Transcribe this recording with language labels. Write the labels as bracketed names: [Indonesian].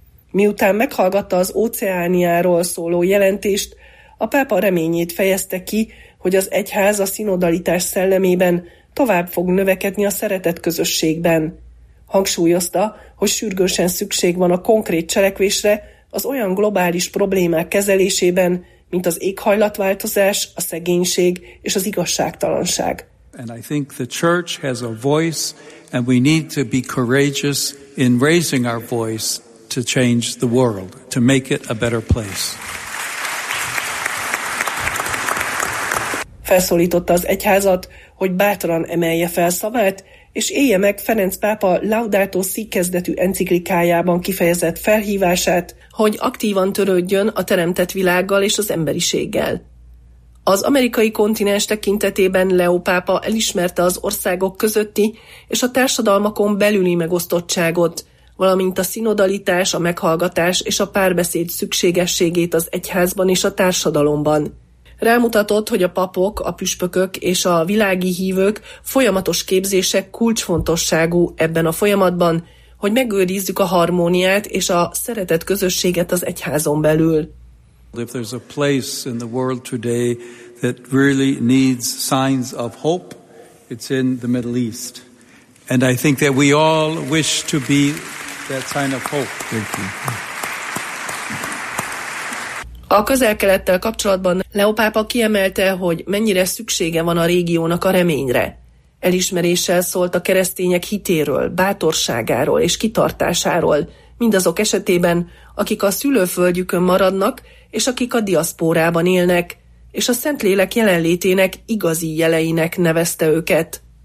[Hungarian] Miután meghallgatta az Óceániáról szóló jelentést, a pápa reményét fejezte ki, hogy az egyház a szinodalitás szellemében tovább fog növekedni a szeretett közösségben. Hangsúlyozta, hogy sürgősen szükség van a konkrét cselekvésre az olyan globális problémák kezelésében, mint az éghajlatváltozás, a szegénység és az igazságtalanság. [English] And I think the church has a voice and we need to be courageous in raising our voice to change the world, to make it a better place. [Hungarian] Felszólította az egyházat, hogy bátran emelje fel szavát, és élje meg Ferenc pápa Laudato Si kezdetű enciklikájában kifejezett felhívását, hogy aktívan törődjön a teremtett világgal és az emberiséggel. Az amerikai kontinens tekintetében Leo pápa elismerte az országok közötti és a társadalmakon belüli megosztottságot, valamint a szinodalitás, a meghallgatás és a párbeszéd szükségességét az egyházban és a társadalomban. Rámutatott, hogy a papok, a püspökök és a világi hívők folyamatos képzések kulcsfontosságú ebben a folyamatban, hogy megőrizzük a harmóniát és a szeretett közösséget az egyházon belül. [English] If there's a place in the world today that really needs signs of hope, it's in the Middle East. And I think that we all wish to be that sign of hope. Thank you. [Hungarian] A Közel-Kelettel kapcsolatban Leo pápa kiemelte, hogy mennyire szüksége van a régiónak a reményre. Elismeréssel szólt a keresztények hitéről, bátorságáról és kitartásáról, mindazok esetében, akik a szülőföldjükön maradnak, és akik a diaszpórában élnek, és a Szentlélek jelenlétének igazi jeleinek nevezte őket.